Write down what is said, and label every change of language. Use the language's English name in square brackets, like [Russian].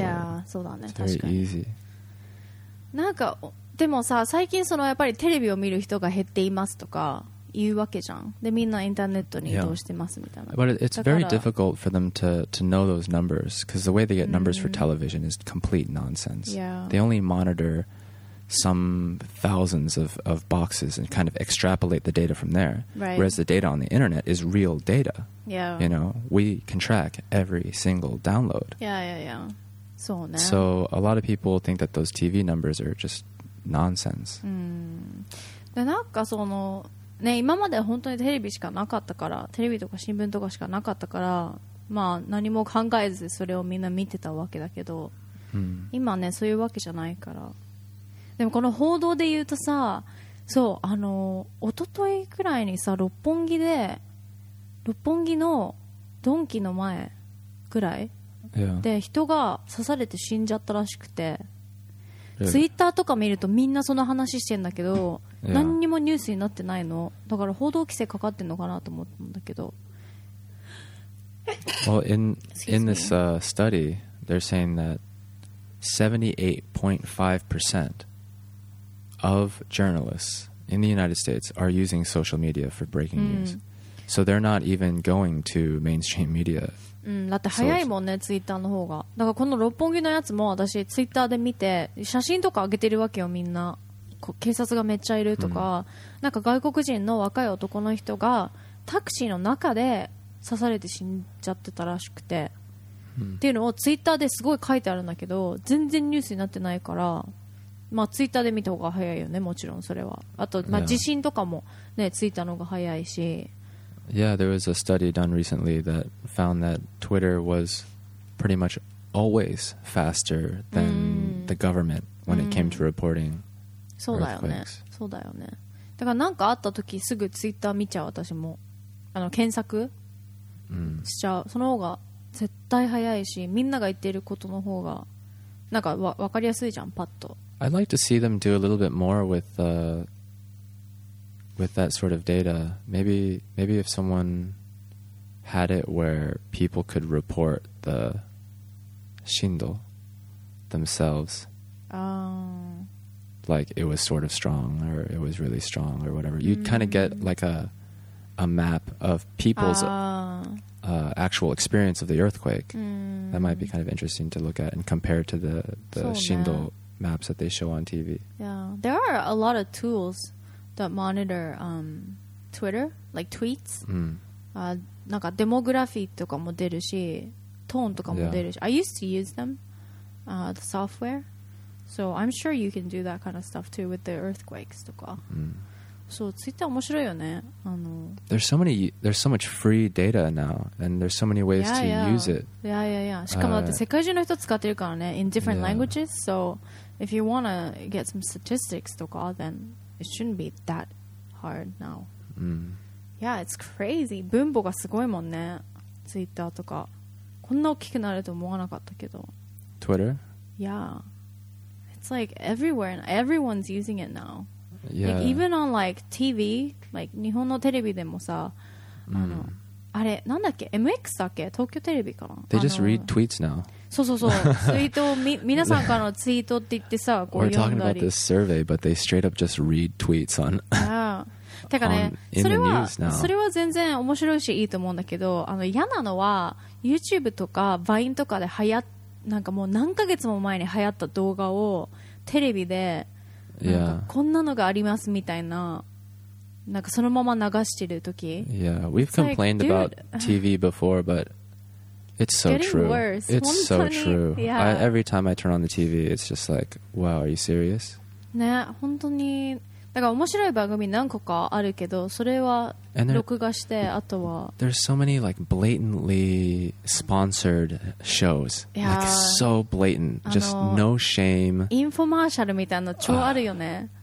[English] Yeah, [Japanese] そうだね。 [English] It's very easy. [Japanese] なんかでもさ、最近そのやっぱりテレビを見る人が減っていますとか。言うわけじゃん。で、みんなインターネットに移動してますみたいな。 [English] Yeah. But it's very difficult for them to know those numbers, because the way they get numbers for television is complete nonsense. Yeah. They only monitor some thousands of boxes and kind of extrapolate the data from there. Right. Whereas the data on the internet is real data. Yeah. You know, we can track every single download. Yeah, yeah, yeah. [Japanese] そうね。 [English] So a lot of people think that those TV numbers are just nonsense. [Japanese] で、なんかそのね、今まで本当にテレビしかなかったから、テレビとか新聞とかしかなかったから、まあ何も考えずそれをみんな見てたわけだけど、うん、今ねそういうわけじゃないから。でもこの報道で言うとさ、そう、あの一昨日くらいにさ、六本木のドンキの前くらい、 [English] yeah. [Japanese] で人が刺されて死んじゃったらしくて、ツイッターとか見るとみんなその話してんだけど、何にもニュースになってないの。だから報道規制かかってんのかなと思ったんだけど。 [English] Well, in this study, they're saying that 78.5% of journalists in the United States are using social media for breaking news. So they're not even going to mainstream media. [Japanese] だって早いもんね、ツイッターの方が。だからこの六本木のやつも私ツイッターで見て、写真とか上げてるわけよ、みんな。警察がめっちゃいるとか、なんか外国人の若い男の人がタクシーの中で刺されて死んじゃってたらしくて、っていうのをツイッターですごい書いてあるんだけど、全然ニュースになってないから、まあツイッターで見た方が早いよね、もちろんそれは。あと、まあ地震とかもね、ツイッターの方が早いし。 [English] Yeah, there was a study done recently that found that Twitter was pretty much always faster than the government when it came to reporting. [Japanese] そうだよね。そうだよね。だからなんかあった時すぐツイッター見ちゃう、私も。あの検索しちゃう。その方が絶対早いし、みんなが言ってることの方がなんかわかりやすいじゃん、パッと。 [English] I'd like to see them do a little bit more with that sort of data. Maybe if someone had it where people could report the shindo themselves. Like it was sort of strong or it was really strong or whatever. You'd kind of get like a map of people's actual experience of the earthquake. That might be kind of interesting to look at and compare to the shindo maps that they show on TV. Yeah, there are a lot of tools that monitor Twitter, like tweets. [Japanese] なんかデモグラフィーとかも出るし、トーンとかも出るし。 [English] I used to use them, the software. So I'm sure you can do that kind of stuff too with the earthquakes [Japanese] とか。そう、ツイッター面白いよね。 [English] There's so much free data now, and there's so many ways to use it. [Japanese] Yeah. しかもだって世界中の人使ってるからね、 [English] in different languages. So if you want to get some statistics [Japanese] とか、 [English] then it shouldn't be that hard now. Yeah, it's crazy. [Japanese] 分母がすごいもんね。ツイッターとか。こんな大きくなると思わなかったけど。 [English] Twitter? Yeah. It's like everywhere. Everyone's using it now. Yeah. Like even on like TV, like [Japanese] 日本のテレビでもさ、あれ、なんだっけ ?MX だっけ東京テレビかな [English] They just read tweets now. [Japanese] そうそうそう。ツイートを皆さんからのツイートって言ってさ、こう読んだり。 [English] We're talking about this survey, but they straight up just read tweets on... [Japanese] てかね、それは全然面白いしいいと思うんだけど、嫌なのは YouTube とか Vine とかで流行なんかもう何ヶ月も前に流行った動画をテレビでなんかこんなのがありますみたいな、なんかそのまま流してる時。 [English] Yeah, we've complained like, about TV before, but it's so true. Worse. It's so true. Yeah. Every time I turn on the TV, it's just like, wow, are you serious? [Japanese] ね、本当に。だから面白い番組何個かあるけど、それは録画して、あとは。 [English] There's so many like blatantly sponsored shows. Yeah. Like so blatant, just no shame. [Japanese] インフォマーシャルみたいな超あるよね。